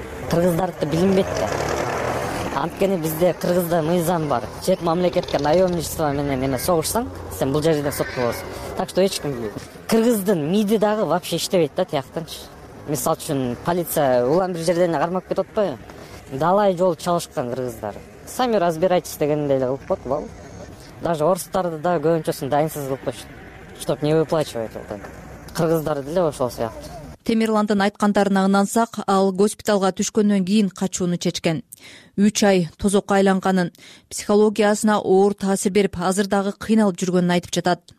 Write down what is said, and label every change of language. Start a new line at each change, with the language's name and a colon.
Kyrgyz: Кыргыздарды билинбейт да. Анткени бизде кыргызда мыйзам бар. Чет мамлекетке наемничество менен эме согушсаң, сен бул жерден сотко болосуң.
Russian: Так что
Kyrgyz: эч ким билбейт. Кыргыздын миди дагы вообще иштебейт да тияктынчы. Мисалы үчүн полиция улам бир жерден эле кармап кетип атпайбы? Далай жол чалышкан кыргыздар.
Russian: Сами разбирайтесь
Kyrgyz: дегендей эле кылып коет бул. Даже орустарды да көбүнчөсүн дайынсыз кылып коет.
Russian: Чтоб не выплачивать вот это.
Kyrgyz: Кыргыздар деле ошол сыяктуу. Темирландын айткандарына ынансак, ал госпиталга түшкөндөн кийин качууну чечкен. 3 ай тозокко айланганын, психологиясына оор таасир берип, азыр дагы кыйналып жүргөнүн айтып жатат.